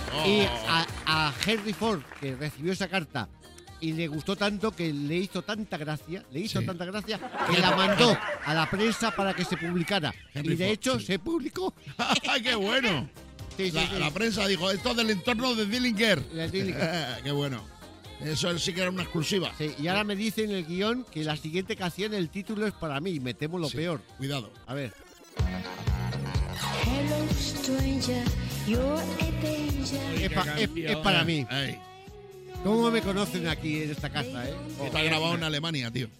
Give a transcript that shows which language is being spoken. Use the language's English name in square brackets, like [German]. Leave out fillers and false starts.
[Spanish] Y a Henry Ford, que recibió esa carta y le gustó tanto que le hizo tanta gracia, que la mandó a la prensa para que se publicara. Henry y de Ford, hecho, sí. Se publicó. ¡Qué bueno! Sí, sí, la prensa dijo, esto es del entorno de Dillinger. Dillinger. ¡Qué bueno! Eso sí que era una exclusiva. Sí, y ahora me dice en el guión que la siguiente canción, el título es para mí. Me temo lo peor. Cuidado. A ver. [English] Hello, stranger, you're a danger. [Spanish] Es para mí. Ay. ¿Cómo me conocen aquí en esta casa, eh? Está grabado en Alemania, tío.